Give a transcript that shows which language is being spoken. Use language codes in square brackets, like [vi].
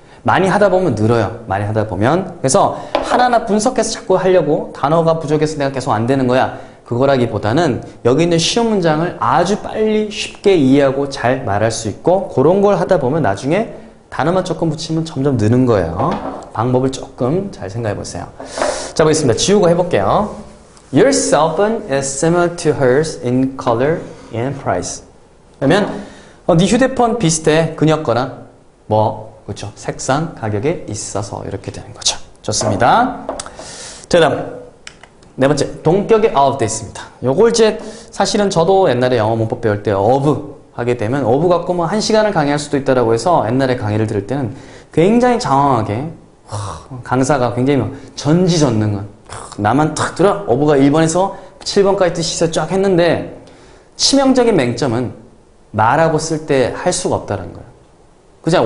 [ko] 많이 하다 보면 늘어요. 많이 하다 보면. 그래서 하나하나 분석해서 자꾸 하려고 단어가 부족해서 내가 계속 안 되는 거야. 그거라기보다는 여기 있는 쉬운 문장을 아주 빨리 쉽게 이해하고 잘 말할 수 있고 그런 걸 하다 보면 나중에 단어만 조금 붙이면 점점 느는 거예요. 방법을 조금 잘 생각해 보세요. 자, 보겠습니다. 지우고 해볼게요. [en] Your cell phone is similar to hers in color and price. [ko] 그러면 네 휴대폰 비슷해. 그녀 거랑 뭐 그렇죠. 색상, 가격에 있어서 이렇게 되는 거죠. 좋습니다. 그다음 네 번째 동격의 of 돼 있습니다. 요걸 이제 사실은 저도 옛날에 영어 문법 배울 때 of 하게 되면 of 갖고 뭐 한 시간을 강의할 수도 있다라고 해서 옛날에 강의를 들을 때는 굉장히 장황하게 강사가 굉장히 막 전지전능은 나만 탁 들어 of가 1번에서 7번까지 뜻이서 쫙 했는데 치명적인 맹점은 말하고 쓸 때 할 수가 없다는 거예요. 그죠?